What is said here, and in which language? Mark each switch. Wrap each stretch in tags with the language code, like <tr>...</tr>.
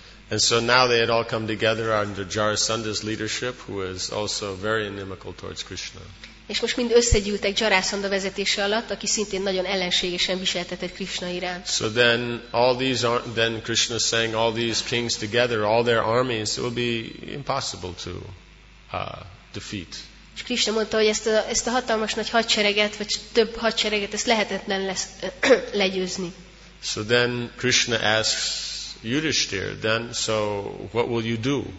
<en>And so now they had all come together under Jarasandha's leadership, who was also very inimical towards Krishna.</en> <hu>És most mind összegyűltek Jarasandha vezetése alatt, aki szintén nagyon ellenségesen viseltetett Krishna iránt.</hu> <en>So then then Krishna saying all these kings together, all their armies, it will be impossible to defeat.</en> <hu>És Krishna mondta, hogy ezt a hatalmas nagy hadsereget, vagy több hadsereget, ezt lehetetlen lesz legyőzni.</hu> <en>So then Krishna asks Yudhishthir, then so what will you do?</en>